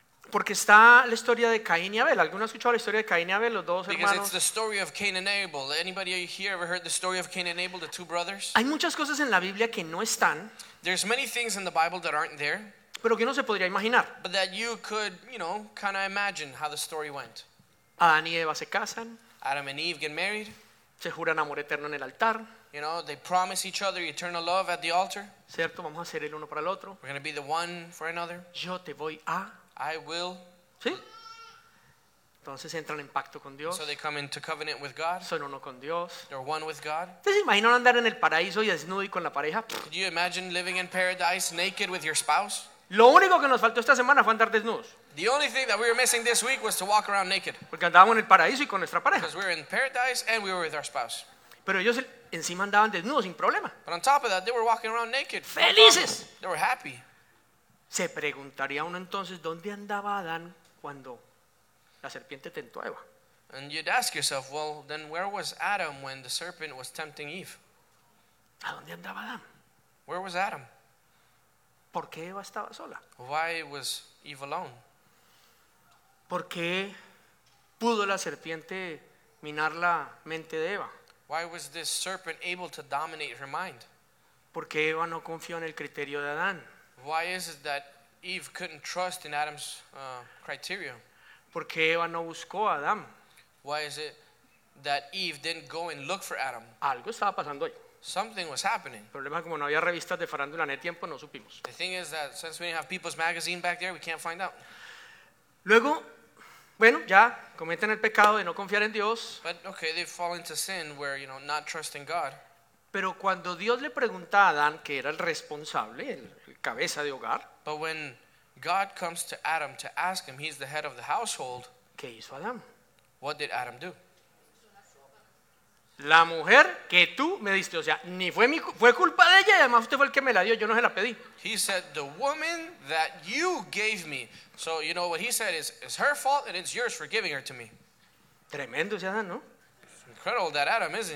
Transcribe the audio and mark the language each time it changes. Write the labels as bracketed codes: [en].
[es] Porque está la historia de Caín y Abel. ¿Alguno ha escuchado la historia de Caín y Abel, los dos hermanos? [en] Because it's the story of Cain and Abel. Anybody here ever heard the story of Cain and Abel, the two brothers? [es] Hay muchas cosas en la Biblia que no están. [en] There's many things in the Bible that aren't there. [es] Pero que uno se podría imaginar. [en] But that you could, kind of imagine how the story went. [es] Adán y Eva se casan. [en] Adam and Eve get married. [es] Se juran amor eterno en el altar. [en] They promise each other eternal love at the altar. [es] Cierto, vamos a ser el uno para el otro. [en] We're going to be the one for another. [es] Yo te voy a... [en] I will. [es] ¿Sí? Entonces entran en pacto con Dios. [en] So they come into covenant with God. [es] Son uno con Dios. [en] They're one with God. [es] ¿Te imaginas andar en el paraíso y desnudo y con la pareja? [en] Could you imagine living in paradise naked with your spouse? [es] Lo único que nos faltó esta semana fue andar desnudos. [en] The only thing that we were missing this week was to walk around naked. [es] Porque andábamos en el paraíso y con nuestra pareja. [en] Because we were in paradise and we were with our spouse. [es] Pero ellos encima andaban desnudos sin problema. [en] But on top of that, they were walking around naked. [es] Felices. [en] They were happy. [es] Se preguntaría uno entonces dónde andaba Adán cuando la serpiente tentó a Eva. [en] And you'd ask yourself, well, then where was Adam when the serpent was tempting Eve? [es] ¿A dónde andaba Adán? [en] Where was Adam? [es] ¿Por qué Eva estaba sola? [en] Why was Eve alone? [es] ¿Por qué pudo la serpiente minar la mente de Eva? [en] Why was this serpent able to dominate her mind? [es] ¿Por qué Eva no confió en el criterio de Adán? [en] Why is it that Eve couldn't trust in Adam's criteria? [es] ¿Por qué Eva no buscó a Adam? [en] Why is it that Eve didn't go and look for Adam? [es] Algo estaba pasando ahí. [en] Something was happening. [es] El problema es que como no había revistas de farándula en el tiempo, no supimos. [en] The thing is that since we didn't have People's Magazine back there, we can't find out. [es] Luego, bueno, ya cometen el pecado de no confiar en Dios. [en] But okay, they fall into sin where, not trusting God. [es] Pero cuando Dios le pregunta a Adán, que era el responsable, el cabeza de hogar, [en] but when God comes to Adam to ask him, he's the head of the household, [es] ¿qué hizo Adam? [en] What did Adam do? [es] La mujer que tú me diste, o sea, ni fue mi, fue culpa de ella, y además usted fue el que me la dio, yo no se la pedí. [en] He said, the woman that you gave me. So, what he said is, it's her fault and it's yours for giving her to me. [es] Tremendo ese Adán, ¿no? [en] It's incredible that Adam, isn't